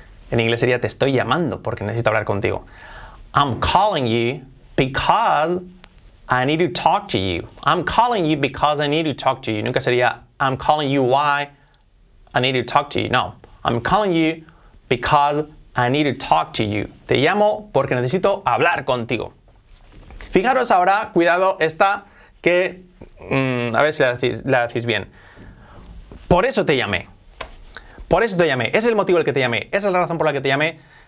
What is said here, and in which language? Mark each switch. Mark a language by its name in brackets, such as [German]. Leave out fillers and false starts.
[Spanish] En inglés sería, te estoy llamando porque necesito hablar contigo. [English] I'm calling you because I need to talk to you. I'm calling you because I need to talk to you. [Spanish] Nunca sería, [English] I'm calling you why I need to talk to you. No, I'm calling you because I need to talk to you. [Spanish] Te llamo porque necesito hablar contigo. Fijaros ahora, cuidado, esta que, a ver si la decís bien. Por eso te llamé. Por eso te llamé. Ese es el motivo del que te llamé. Esa es la razón por la que te llamé.